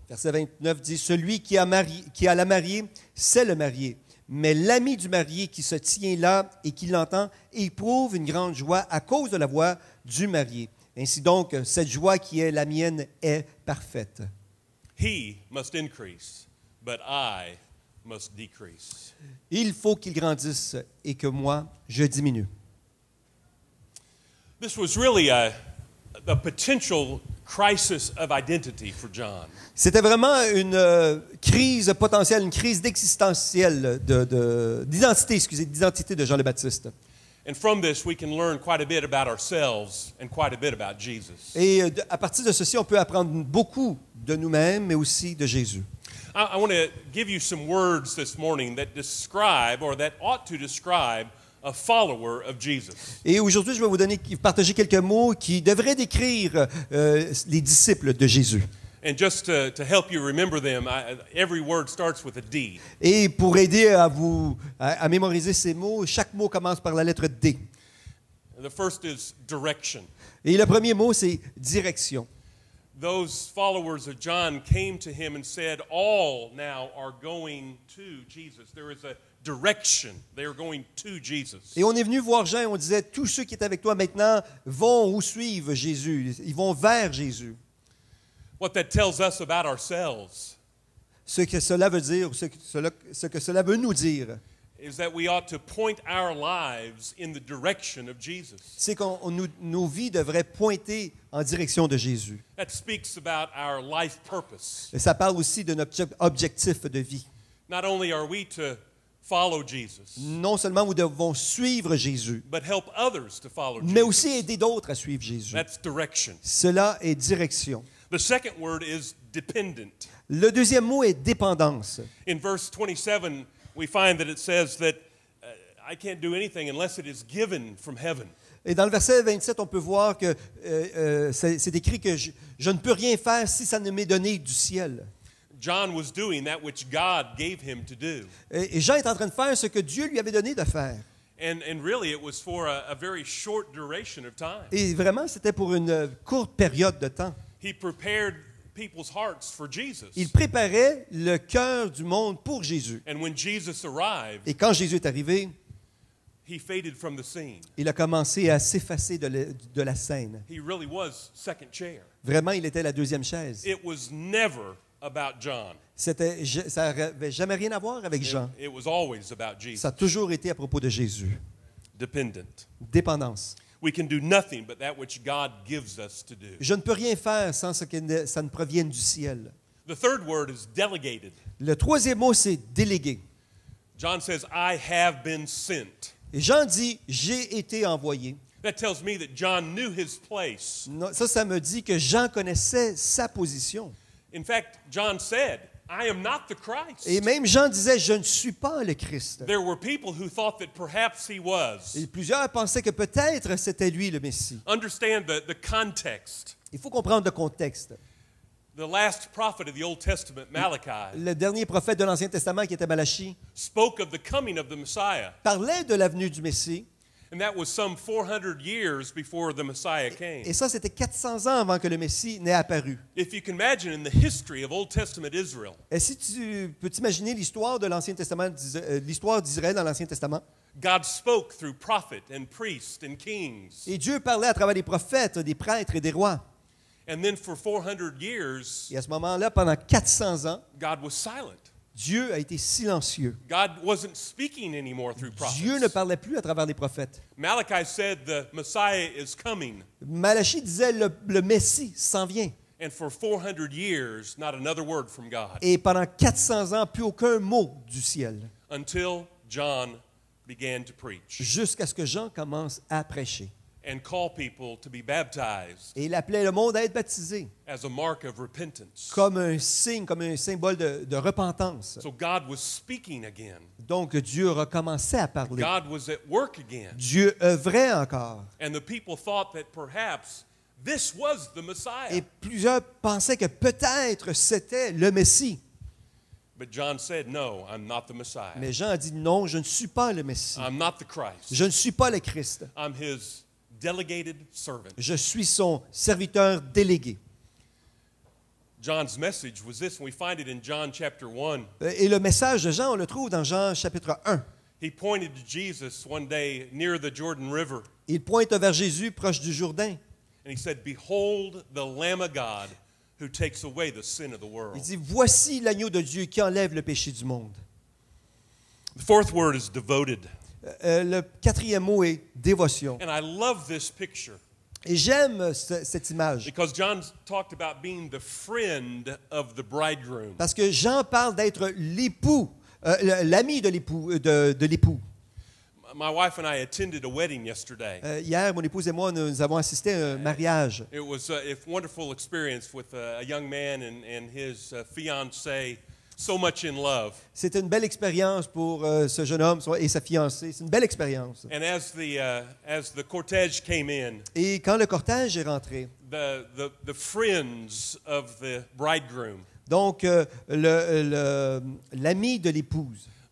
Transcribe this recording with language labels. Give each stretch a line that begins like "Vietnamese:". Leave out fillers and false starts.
French: Verset 29 dit, « Celui qui a la mariée, c'est le marié. Mais l'ami du marié qui se tient là et qui l'entend éprouve une grande joie à cause de la voix du marié. Ainsi donc, cette joie qui est la mienne est parfaite. »
English: He must increase, but I must decrease.
French: Il faut qu'il grandisse et que moi, je diminue.
English: This was really a potential crisis of identity for John.
French: C'était vraiment une crise potentielle, une crise d'existentielle d'identité de Jean le Baptiste.
English: And from this we can learn quite a bit about ourselves and quite a bit about Jesus.
French: Et à partir de ceci on peut apprendre beaucoup de nous-mêmes mais aussi de Jésus.
English: I want to give you some words this morning that describe or that ought to describe a follower of Jesus.
French: Et aujourd'hui, je vais partager quelques mots qui devraient décrire les disciples de Jésus.
English: And just to help you remember them, every word starts with a D.
French: Et pour aider à mémoriser ces mots, chaque mot commence par la lettre D.
English: The first is direction.
French: Et le premier mot, c'est direction.
English: Those followers of John came to him and said, "All now are going to Jesus." There is a direction. They are going to Jesus.
French: Et on est venu voir Jean. On disait tous ceux qui étaient avec toi maintenant vont ou suivent Jésus. Ils vont vers Jésus.
English: What that tells us about ourselves.
French: Ce que cela veut nous dire.
English: Is that we ought to point our lives in the direction of Jesus.
French: C'est qu'on nos vies devraient pointer en direction de Jésus.
English: That speaks about our life purpose.
French: Et ça parle aussi de notre objectif de vie.
English: Not only are we to follow Jesus.
French: Non seulement nous devons suivre Jésus,
English: but help others to follow Jesus.
French: Mais aussi aider d'autres à suivre Jésus.
English: That's direction.
French: Cela est direction.
English: The second word is dependent.
French: Le deuxième mot est dépendance.
English: In verse 27, we find that it says that I can't do anything unless it is given from heaven.
French: Et dans le verset 27, on peut voir que c'est écrit que je ne peux rien faire si ça ne m'est donné du ciel.
English: John was doing that which God gave him to do.
French: Et Jean est en train de faire ce que Dieu lui avait donné de faire.
English: And really it was for a very short duration of time.
French: Et vraiment c'était pour une courte période de temps.
English: He prepared people's hearts for Jesus.
French: Il préparait le cœur du monde pour Jésus.
English: And when Jesus arrived,
French: et quand Jésus est arrivé,
English: he faded from the scene.
French: Il a commencé à s'effacer de la scène.
English: He really was second chair.
French: Vraiment, il était la deuxième chaise.
English: It was never about John.
French: C'était, ça n'avait jamais rien à voir avec Jean.
English: It was always about Jesus.
French: Ça a toujours été à propos de Jésus.
English: Dependent.
French: Dépendance.
English: We can do nothing but that which God gives us to do.
French: Je ne peux rien faire sans ce que ça ne provienne du ciel.
English: The third word is delegated.
French: Le troisième mot, c'est délégué.
English: John says, I have been sent.
French: Et Jean dit, j'ai été envoyé.
English: That tells me that John knew his place.
French: Non, ça me dit que Jean connaissait sa position.
English: In fact, John said, I am not the Christ.
French: Et même Jean disait, je ne suis pas le Christ.
English: There were people who thought that perhaps he was.
French: Et plusieurs pensaient que peut-être c'était lui le Messie.
English: Understand the context.
French: Il faut comprendre le contexte.
English: The last prophet of the Old Testament, Malachi,
French: le dernier prophète de l'Ancien Testament qui était Malachie,
English: spoke of the coming of the Messiah.
French: Parlait de la venue du Messie.
English: And that was some 400 years before the Messiah came.
French: Et ça, c'était 400 ans avant que le Messie n'ait apparu.
English: If you can imagine in the history of Old Testament Israel.
French: Et si tu peux t'imaginer l'histoire de l'Ancien Testament, l'histoire d'Israël dans l'Ancien Testament.
English: God spoke through prophet and priest and kings.
French: Et Dieu parlait à travers des prophètes, des prêtres et des rois.
English: And then for 400 years.
French: Et à ce moment-là, pendant 400 ans.
English: God was silent.
French: Dieu a été silencieux.
English: God wasn't speaking anymore through prophets.
French: Dieu ne parlait plus à travers les prophètes.
English: Malachi said the Messiah is coming.
French: Malachie disait le Messie s'en vient.
English: And for 400 years, not another word from God.
French: Et pendant 400 ans, plus aucun mot du ciel.
English: Until John began to preach.
French: Jusqu'à ce que Jean commence à prêcher.
English: And call people to be baptized.
French: Et il appelait le monde à être baptisé.
English: As a mark of repentance.
French: Comme un signe, comme un symbole de repentance.
English: So God was speaking again.
French: Donc Dieu recommençait à parler.
English: God was at work again.
French: Dieu œuvrait encore.
English: And the people thought that perhaps this was the Messiah.
French: Et plusieurs pensaient que peut-être c'était le Messie.
English: But John said, "No, I'm not the Messiah."
French: Mais Jean a dit non, je ne suis pas le Messie.
English: I'm not the Christ.
French: Je ne suis pas le Christ.
English: I'm his delegated servant.
French: Je suis son serviteur délégué.
English: John's message was this, and we find it in John chapter 1.
French: Et le message de Jean, on le trouve dans Jean chapitre 1.
English: He pointed to Jesus one day near the Jordan River.
French: Il pointe vers Jésus proche du Jourdain.
English: And he said, "Behold the Lamb of God who takes away the sin of the world."
French: Il dit, voici l'agneau de Dieu qui enlève le péché du monde.
English: The fourth word is devoted.
French: Le quatrième mot est dévotion.
English: And I love this picture.
French: Et j'aime cette image.
English: Because John talked about being the friend of the bridegroom.
French: Parce que Jean parle d'être l'époux, l'ami de l'époux, de l'époux.
English: My wife and I attended a wedding yesterday.
French: Hier, mon épouse et moi, nous avons assisté à un mariage.
English: It was a wonderful experience with a young man and his fiancée. So much in love.
French: C'est une belle expérience pour ce jeune homme et sa fiancée. C'est une belle expérience.
English: And as the cortège came in.
French: Et quand le cortège est rentré.
English: The friends of the bridegroom.
French: Donc l'ami de l'épouse.